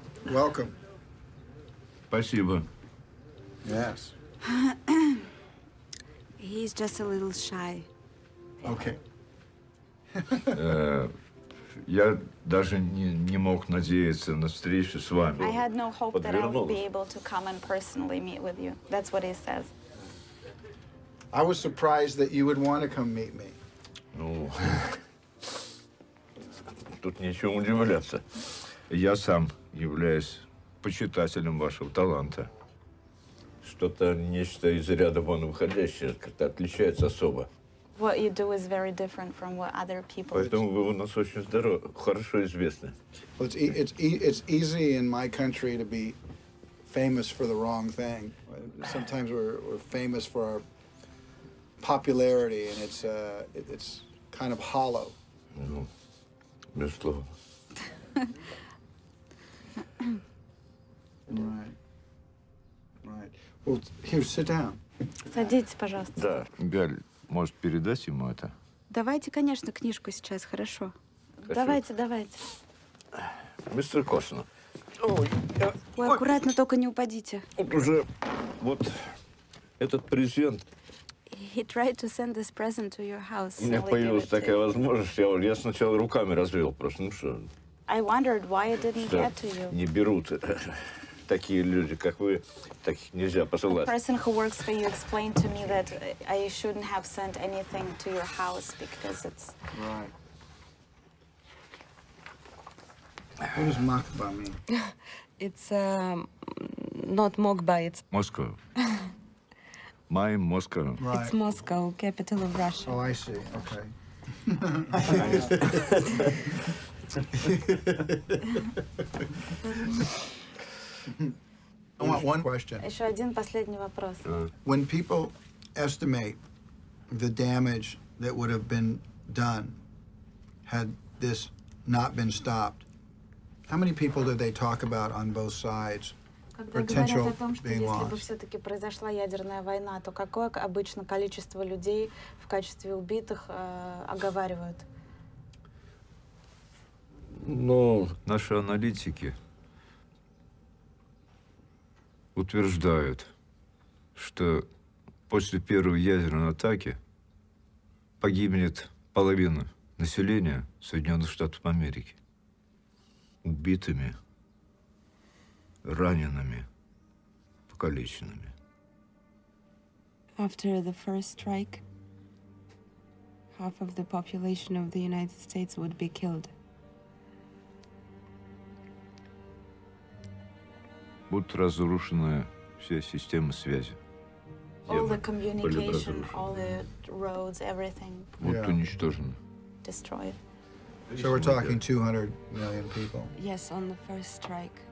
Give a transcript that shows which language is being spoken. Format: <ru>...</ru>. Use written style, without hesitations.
<en>Welcome.</en> <ru>Спасибо.</ru> <en>Yes. He's just a little shy. Okay.</en> <ru>Я даже не мог надеяться на встречу с вами.</ru> <en>I had no hope that I would be able to come and personally meet with you. That's what he says. I was surprised that you would want to come meet me.</en> <ru>Ну, тут нечего удивляться. Я сам являюсь почитателем вашего таланта. Что-то нечто из ряда вон выходящее, как-то отличается особо.</ru> <en>What you do is very different from what other people do.</en> <ru>Поэтому вы у нас очень здоровы, хорошо известны.</ru> <en>Well, it's easy in my country to be famous for the wrong thing. Sometimes we're famous for our popularity, and it's kind of hollow.</en> <ru>Ну, без слова.</ru> <en>Right. Well, here, sit down.</en> <ru>Садитесь, пожалуйста. Да, Галь. Может, передать ему это? Давайте, конечно, книжку сейчас, хорошо? Хорошо. Давайте, давайте. Мистер Костнер. Вы аккуратно, ой, только не упадите. Вот уже, вот этот презент.</ru> <en>He tried to send this present to your house.</en> <ru>У меня появилась такая возможность. Я сначала руками развел просто, ну что?</ru> <en>I wondered why it didn't get to you.</en> <ru>Не берут. Такие люди, как вы, таких нельзя посылать.</ru> <en>A person who works for you explained to me that I shouldn't have sent anything to your house because it's... Right. What does Makba mean? It's not Mokba, it's... Moscow. My Moscow. Right. It's Moscow, capital of Russia. Oh, I see. Okay. I want one question.</en> <ru>Еще один последний вопрос.</ru> <en>When people estimate the damage that would have been done had this not been stopped, how many people do they talk about on both sides? Potential being lost.</en> <ru>Когда говорят о том, что если бы все-таки произошла ядерная война, то какое обычно количество людей в качестве убитых оговаривают? Но наши аналитики утверждают, что после первой ядерной атаки погибнет половина населения Соединенных Штатов Америки. Убитыми, ранеными, покалеченными.</ru> <en>After the first strike, half of the population of the United States would be killed.</en> <ru>Будут разрушены все системы связи.</ru> <en>All the communication, all the roads, everything.</en> <ru>Будут уничтожены.</ru> <en>Destroyed. So we're talking 200 million people. Yes, on the first strike.</en>